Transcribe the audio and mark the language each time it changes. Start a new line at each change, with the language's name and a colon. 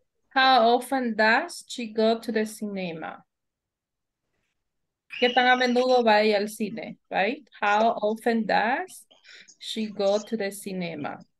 English: How often does she go to the cinema?
Spanish: ¿Qué tan a menudo va ella al cine?
English: Right? How often does she go to the cinema?